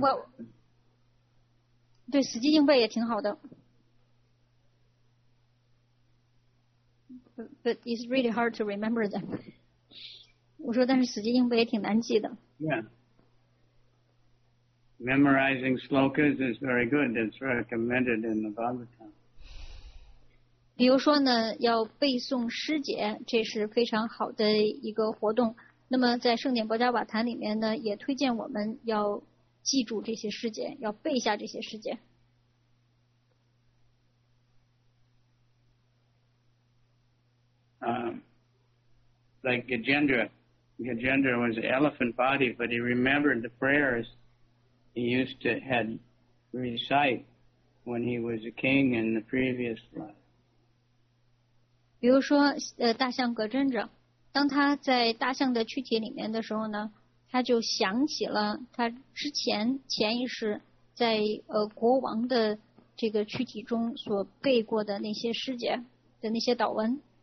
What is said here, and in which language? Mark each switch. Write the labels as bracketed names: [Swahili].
[English] Well, [Chinese] 对死记硬背也挺好的 [English] but it's really hard to remember them [Chinese] 我说但是死记硬背也挺难记的 [English] yeah memorizing slokas is very good it's recommended in the Bhagavatam [Chinese] 比如说呢要背诵诗节这是非常好的一个活动那么在圣典薄伽瓦坛里面呢也推荐我们要记住这些诗节要背下这些诗节 [English] Like Gajendra. Gajendra was an elephant body, but he remembered the prayers he used to had recite when he was a king in the previous life. [Chinese] 比如说大象葛珍者当他在大象的躯体里面的时候呢他就想起了他之前前一世在国王的这个躯体中所背过的那些诗节的那些祷文。